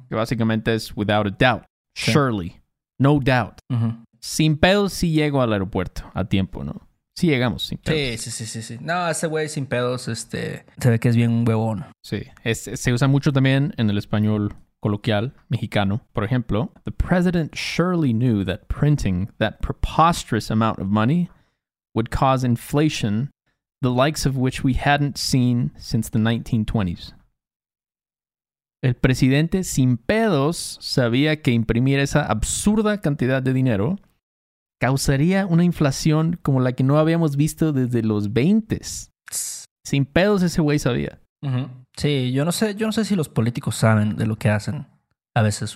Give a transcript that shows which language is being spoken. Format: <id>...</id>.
<es>Que básicamente es</es> <en>without a doubt.</en> <es>Sí.</es> <en>Surely. No doubt. Uh-huh.</en> <es>Sin pedos sí llego al aeropuerto a tiempo, ¿no? Sí llegamos sin pedos. Sí. No, ese güey sin pedos, se ve que es bien un huevón. Sí. Se usa mucho también en el español coloquial mexicano. Por ejemplo,</es> <en>the president surely knew that printing that preposterous amount of money would cause inflation the likes of which we hadn't seen since the 1920s.</en> <es>El presidente sin pedos sabía que imprimir esa absurda cantidad de dinero causaría una inflación como la que no habíamos visto desde los 20s. Sin pedos ese güey sabía. Uh-huh. Sí, yo no sé si los políticos saben de lo que hacen a veces.</es>